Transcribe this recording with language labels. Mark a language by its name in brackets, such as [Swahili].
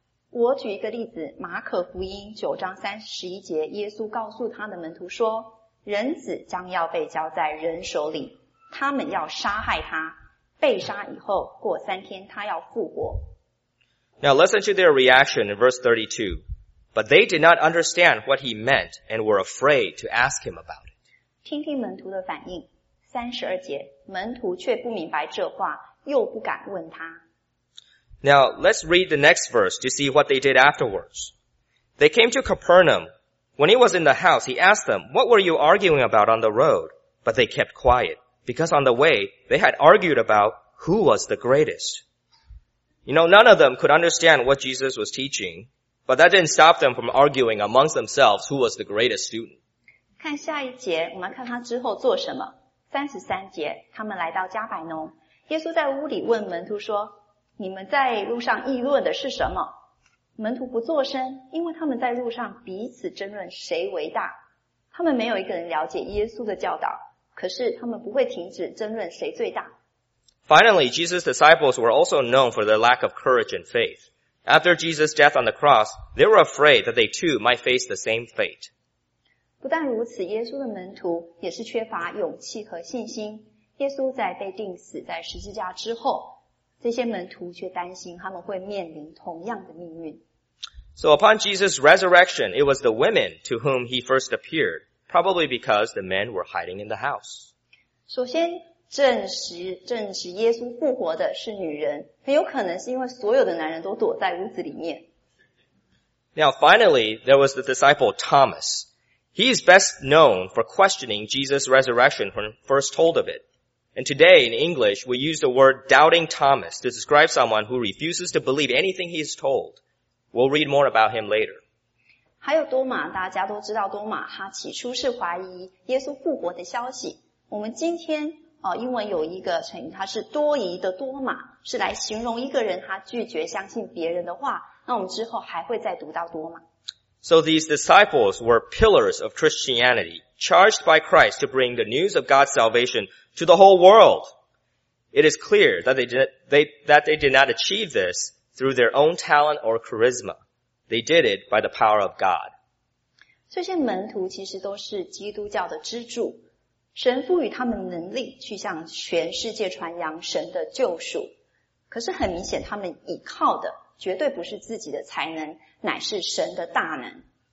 [Chinese] 我举一个例子，马可福音九章三十一节，耶稣告诉他的门徒说，人子将要被交在人手里，他们要杀害他，被杀以后，过三天他要复活。 [English] Now listen to their reaction in verse 32. But they did not understand what he meant and were afraid to ask him about it. [Chinese] 听听门徒的反应。 32节，门徒却不明白这话，又不敢问他。 [English] Now, let's read the next verse to see what they did afterwards. They came to Capernaum. When he was in the house, he asked them, "What were you arguing about on the road?" But they kept quiet, because on the way, they had argued about who was the greatest. You know, none of them could understand what Jesus was teaching, but that didn't stop them from arguing amongst themselves who was the greatest student. [Chinese] 看下一节，我们看他之后做什么。33节，他们来到加百农，耶稣在屋里问门徒说，你们在路上议论的是什么？门徒不作声，因为他们在路上彼此争论谁为大。他们没有一个人了解耶稣的教导，可是他们不会停止争论谁最大。 [English] Finally, Jesus' disciples were also known for their lack of courage and faith. After Jesus' death on the cross, they were afraid that they too might face the same fate. [Chinese] 不但如此，耶稣的门徒也是缺乏勇气和信心。耶稣在被钉死在十字架之后，这些门徒却担心他们会面临同样的命运。 [English] So upon Jesus' resurrection, it was the women to whom he first appeared, probably because the men were hiding in the house. [Chinese] 首先证实耶稣复活的是女人，很有可能是因为所有的男人都躲在屋子里面。 [English] Now finally, there was the disciple Thomas. He is best known for questioning Jesus' resurrection when first told of it. And today in English, we use the word doubting Thomas to describe someone who refuses to believe anything he is told. We'll read more about him later. [Chinese] 还有多马，大家都知道多马，他起初是怀疑耶稣复活的消息。我们今天英文有一个成语，它是多疑的多马，是来形容一个人他拒绝相信别人的话。那我们之后还会再读到多马。 [English] So these disciples were pillars of Christianity, charged by Christ to bring the news of God's salvation to the whole world. It is clear that they did not achieve this through their own talent or charisma. They did it by the power of God. [Chinese] 这些门徒其实都是基督教的支柱。神赋予他们能力去向全世界传扬神的救赎，可是很明显，他们依靠的绝对不是自己的才能，乃是神的大能。